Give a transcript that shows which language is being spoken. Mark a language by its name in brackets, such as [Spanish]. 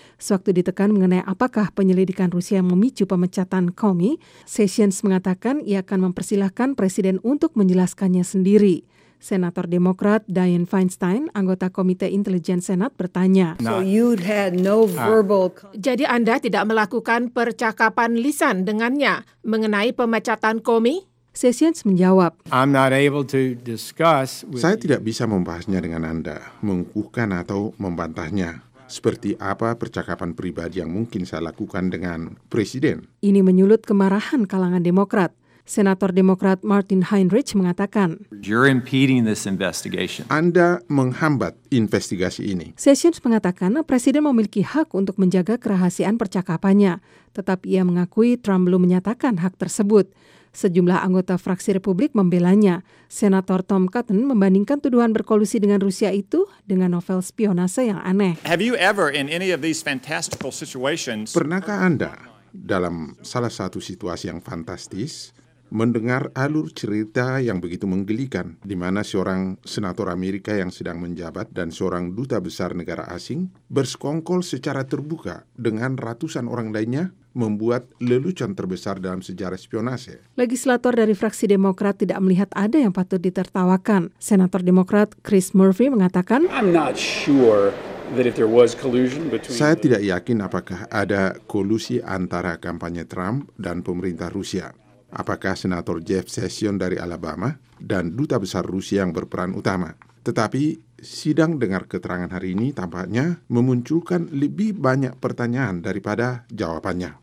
[Indonesian] Sewaktu ditekan mengenai apakah penyelidikan Rusia yang memicu pemecatan Comey, Sessions mengatakan ia akan mempersilahkan Presiden untuk menjelaskannya sendiri. Senator Demokrat Dianne Feinstein, anggota Komite Intelijen Senat, bertanya. [English] So you'd had no verbal... [Indonesian] Jadi Anda tidak melakukan percakapan lisan dengannya mengenai pemecatan Comey? Sessions menjawab. [English] I'm not able to discuss with... [Indonesian] Saya tidak bisa membahasnya dengan Anda, mengukuhkan atau membantahnya. Seperti apa percakapan pribadi yang mungkin saya lakukan dengan Presiden. Ini menyulut kemarahan kalangan Demokrat. Senator Demokrat Martin Heinrich mengatakan, [English] "You're impeding this investigation." [Indonesian] Anda menghambat investigasi ini. Sessions mengatakan presiden memiliki hak untuk menjaga kerahasiaan percakapannya, tetapi ia mengakui Trump belum menyatakan hak tersebut. Sejumlah anggota fraksi Republik membelanya. Senator Tom Cotton membandingkan tuduhan berkolusi dengan Rusia itu dengan novel spionase yang aneh. [English] Have you ever in any of these fantastical situations? [Indonesian] Pernahkah Anda dalam salah satu situasi yang fantastis mendengar alur cerita yang begitu menggelikan, di mana seorang senator Amerika yang sedang menjabat dan seorang duta besar negara asing bersekongkol secara terbuka dengan ratusan orang lainnya, membuat lelucon terbesar dalam sejarah spionase? Legislator dari fraksi Demokrat tidak melihat ada yang patut ditertawakan. Senator Demokrat Chris Murphy mengatakan, [English] "I'm not sure that if there was collusion between..." [Indonesian] Saya tidak yakin apakah ada kolusi antara kampanye Trump dan pemerintah Rusia. Apakah Senator Jeff Sessions dari Alabama dan duta besar Rusia yang berperan utama? Tetapi sidang dengar keterangan hari ini tampaknya memunculkan lebih banyak pertanyaan daripada jawabannya.